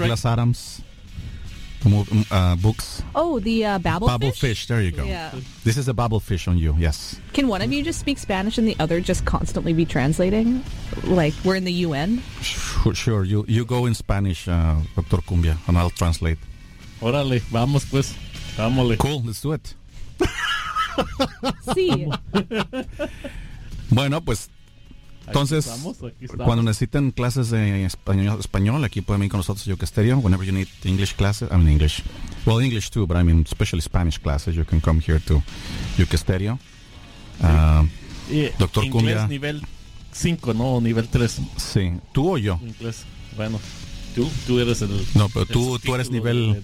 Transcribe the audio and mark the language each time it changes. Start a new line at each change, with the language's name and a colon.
English: Douglas Adams books? Oh, the babble fish? Babble fish, there you go. Yeah. This is a babble fish on you, yes. Can one of you just speak Spanish and the other just constantly be translating? Like, we're in the UN? Sure, you go in Spanish, Dr. Cumbia, and I'll translate.
Spanish: Órale, vamos pues, vámosle.
English: Cool, let's do it.
Spanish: Sí. Bueno, pues, entonces, aquí estamos. Cuando necesiten clases de español, aquí pueden venir con nosotros a Yuca Estéreo.
English: Whenever you need English classes, I mean English. Well, English too, but I mean especially Spanish classes, you can come here to Yuca Estéreo.
Spanish: Doctor Cumbia. Inglés nivel 5, ¿no? Nivel 3. Sí, ¿tú o yo? Inglés, bueno. Tú eres el... No, pero tú eres nivel...